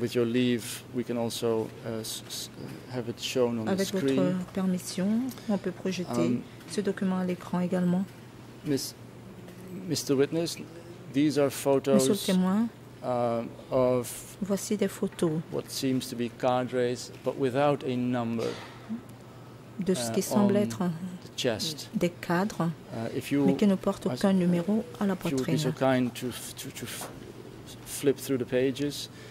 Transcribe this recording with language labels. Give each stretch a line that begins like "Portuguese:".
English: With your leave, we can also have it shown on
French: avec
English: the screen.
French: Avec votre permission, on peut projeter ce document à l'écran également.
English: Mr. Witness, these are photos.
French: Monsieur le témoin.
English: Of
French: voici des photos.
English: What seems to be cadres, but without a number.
French: De ce qui semble être des cadres, mais qui ne portent aucun numéro à la poitrine.
English: If you would be so kind to flip through the pages.